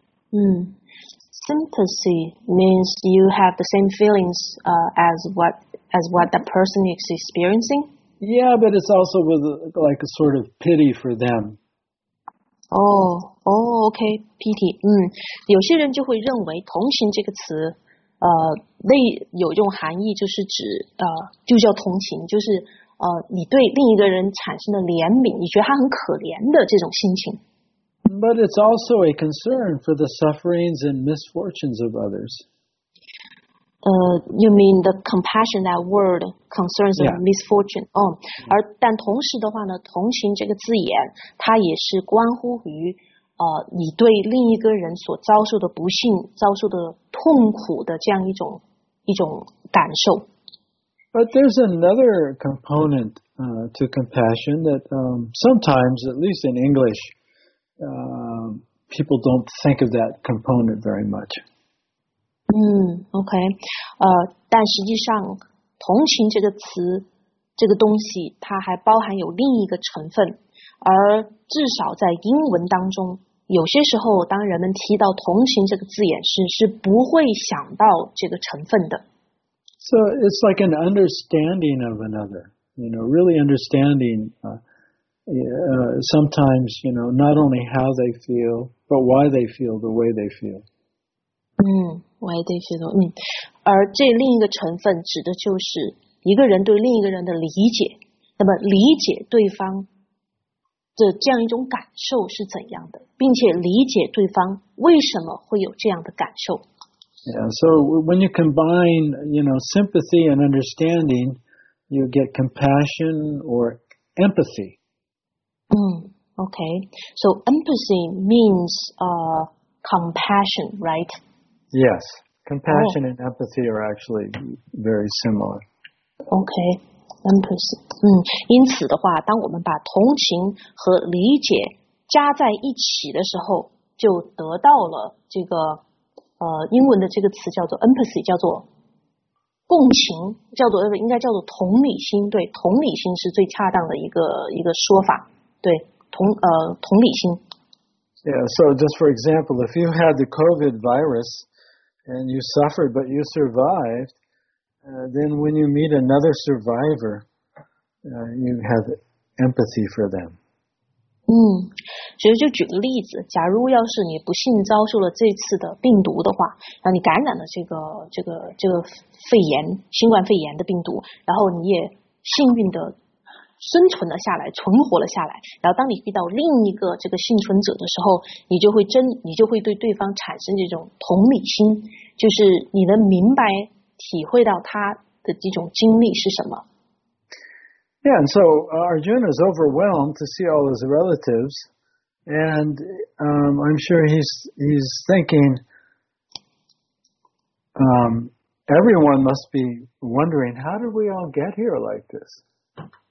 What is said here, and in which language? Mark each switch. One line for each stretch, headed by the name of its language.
English: Sympathy means you have the same feelings as what that person is experiencing. Yeah, but it's also with like a sort of pity for them. Okay, pity.
Chinese: 有些人就会认为同情这个词，类有一种含义就是指就叫同情，就是你对另一个人产生了怜悯，你觉得他很可怜的这种心情。
English: But it's also a concern for the sufferings and misfortunes of others. You mean the compassion, that word, concerns and misfortune. Yeah.
Chinese: Oh, 而但同时的话呢，同情这个字眼，它也是关乎于你对另一个人所遭受的不幸、遭受的痛苦的这样一种感受。
English: But there's another component to compassion that sometimes, at least in English, people don't think of that component very much. Okay.
Chinese: 但实际上，同情这个词，这个东西，它还包含有另一个成分。而至少在英文当中，有些时候，当人们提到同情这个字眼时，是不会想到这个成分的。
English: So it's like an understanding of another, you know, really understanding sometimes, you know, not only how they feel, but why they feel the way they feel. Why they feel.
Chinese: 而这另一个成分指的就是一个人对另一个人的理解，那么理解对方的这样一种感受是怎样的，并且理解对方为什么会有这样的感受。
English: Yeah, so when you combine, you know, sympathy and understanding, you get compassion or empathy. Okay. So empathy means compassion, right? Yes. Compassion and empathy are actually very similar. Okay. Empathy.
Chinese: 因此的话，当我们把同情和理解加在一起的时候，就得到了这个英文的这个词叫做 empathy, 叫做共情，叫做应该叫做同理心，对，同理心是最恰当的一个说法，对，同理心。
English: Yeah, so just for example, if you had the COVID virus and you suffered but you survived, then when you meet another survivor, you have empathy for them.
Chinese: 所以就举个例子，假如要是你不幸遭受了这次的病毒的话，那你感染了这个肺炎，新冠肺炎的病毒，然后你也幸运的生存了下来，存活了下来，然后当你遇到另一个这个幸存者的时候，你就会对对方产生这种同理心，就是你能明白体会到他的这种经历是什么。
English: Yeah, and so Arjuna is overwhelmed to see all his relatives, and I'm sure he's thinking everyone must be wondering, how did we all get here like this?